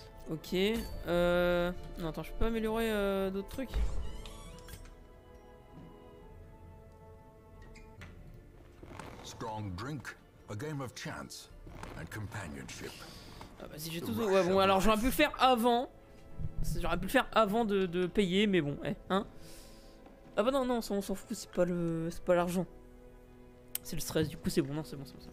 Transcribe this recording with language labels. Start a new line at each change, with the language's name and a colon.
French: Ok. Non, attends, je peux pas améliorer d'autres trucs.
English: Strong drink, a game of chance and companionship.
French: Ah bah si j'ai tout. Ouais bon alors j'aurais pu le faire avant. J'aurais pu le faire avant de payer mais bon, eh, hein. Ah bah non on s'en fout, c'est pas l'argent. C'est le stress du coup, c'est bon, non c'est bon.